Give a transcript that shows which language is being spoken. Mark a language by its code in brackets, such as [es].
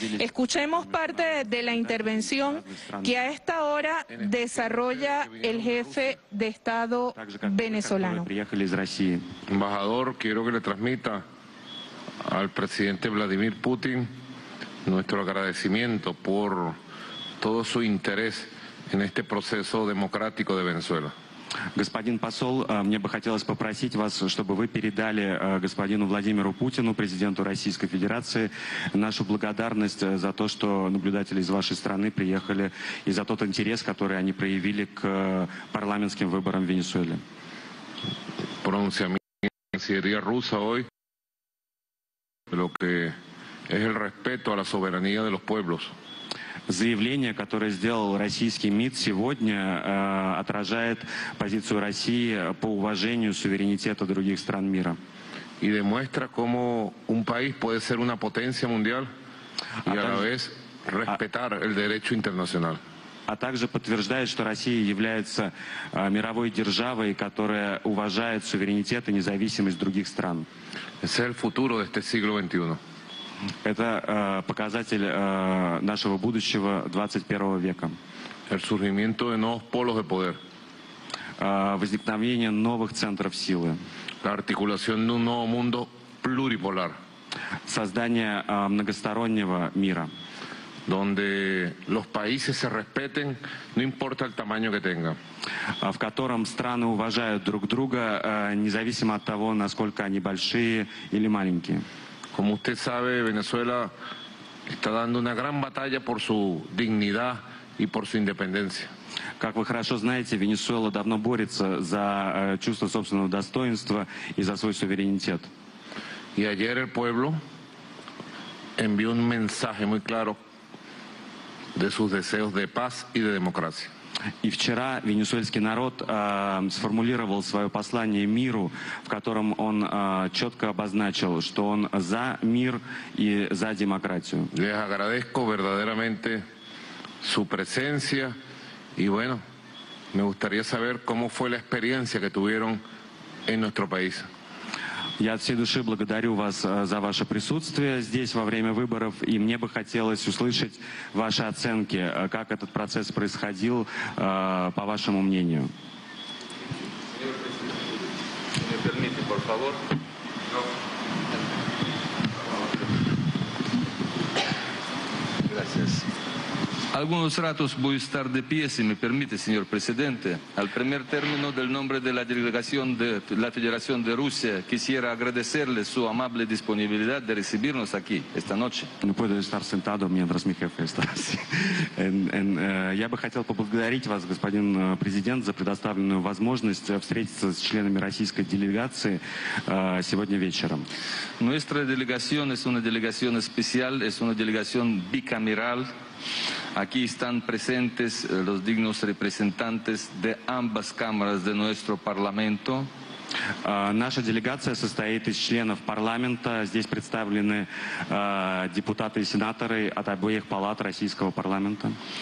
[es] Escuchemos parte de la intervención que a esta hora desarrolla el jefe de Estado venezolano. Embajador, quiero que le transmita al presidente Vladimir Putin nuestro agradecimiento por todo su interés en este proceso democrático de Venezuela. [ru] Господин посол, мне бы хотелось попросить вас, чтобы вы передали господину Владимиру Путину, президенту Российской Федерации, нашу благодарность за то, что наблюдатели из вашей страны приехали, и за тот интерес, который они проявили к парламентским выборам в Венесуэле. [es] Pronunciamiento ruso hoy, lo que es el respeto a la soberanía de los pueblos. [ru] Заявление, которое сделал российский МИД сегодня, отражает позицию России по уважению суверенитета других стран мира. И [es] demuestra cómo un país puede ser una potencia mundial y a la vez respetar el derecho internacional. [ru] А также подтверждает, что Россия является мировой державой, которая уважает суверенитет и независимость других стран. [es] Es el futuro de este siglo XXI. [ru] Это показатель нашего будущего 21 века. [es] El surgimiento de nuevos polos de poder. [ru] Возникновение новых центров силы. [es] La articulación de un nuevo mundo pluripolar. [ru] Создание многостороннего мира. [es] Donde los países se respeten, no importa el tamaño que tengan. [ru] В котором страны уважают друг друга, независимо от того, насколько они большие или маленькие. [es] Como usted sabe, Venezuela está dando una gran batalla por su dignidad y por su independencia. [ru] Как вы хорошо знаете, Венесуэла давно борется за чувство собственного достоинства и за свой суверенитет. [es] Y ayer el pueblo envió un mensaje muy claro de sus deseos de paz y de democracia. [ru] И вчера венесуэльский народ сформулировал свое послание миру, в котором он четко обозначил, что он за мир и за демократию. [es] Les agradezco verdaderamente su presencia y bueno, me gustaría saber cómo fue la experiencia que tuvieron en nuestro país. [ru] Я от всей души благодарю вас за ваше присутствие здесь во время выборов, и мне бы хотелось услышать ваши оценки, как этот процесс происходил, по вашему мнению. [es] por favor. No. Gracias. Algunos ratos voy a estar de pie, si me permite, señor presidente. Al primer término del nombre de la delegación de la Federación de Rusia, quisiera agradecerle su amable disponibilidad de recibirnos aquí esta noche. No puedo estar sentado mientras mi jefe está así. [ru] Я бы хотел поблагодарить вас, господин президент, за предоставленную возможность встретиться с членами российской делегации сегодня вечером. [es] Nuestra delegación es una delegación especial, es una delegación bicameral. Aquí están presentes los dignos representantes de ambas cámaras de nuestro Parlamento. [ru] Наша делегация состоит из членов парламента. Здесь представлены депутаты и сенаторы от обеих палат российского парламента.